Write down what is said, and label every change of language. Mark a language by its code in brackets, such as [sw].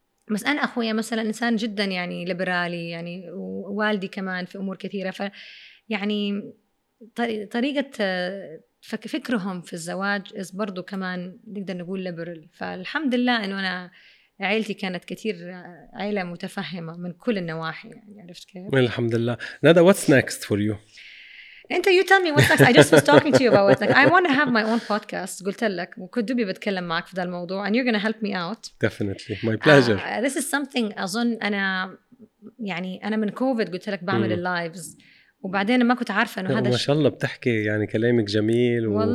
[ar] بس أنا أخويا مثلا إنسان جدا يعني ليبرالي، يعني والدي كمان في أمور كثيرة، فيعني طريقة فكرهم في الزواج برضو كمان نقدر نقول ليبرال. فالحمد لله أنه أنا عائلتي كانت كثير عائلة متفهمة من كل النواحي، يعني عرفت كيف؟ الحمد لله. [en] ندى، what's next for you؟ [ar] أنت [en] you tell me what's next. I just was talking to you about what's next. I want to have my own podcast. [ar] قلت لك وكنت دوبي بتكلم معك في ذا الموضوع [en] and you're gonna help me out. Definitely. My pleasure. This is something [ar] أظن أنا يعني أنا من كوفيد قلت لك بعمل اللايفز، وبعدين ما كنت عارفة انه هذا ما شاء الله بتحكي، يعني كلامك جميل